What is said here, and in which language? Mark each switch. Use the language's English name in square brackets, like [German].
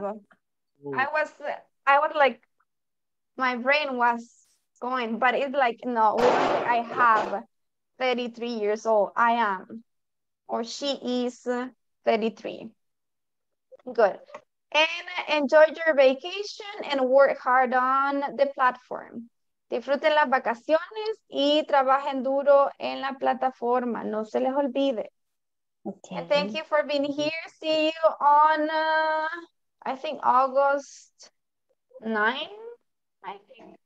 [English] I was like, my brain was going, but it's like, no, I have 33 years old. I am. Or she is 33. Good. And enjoy your vacation and work hard on the platform. [Spanish] Disfruten las vacaciones y trabajen duro en la plataforma. No se les olvide. [English] Okay. And thank you for being here. See you on, I think, August 9, I think.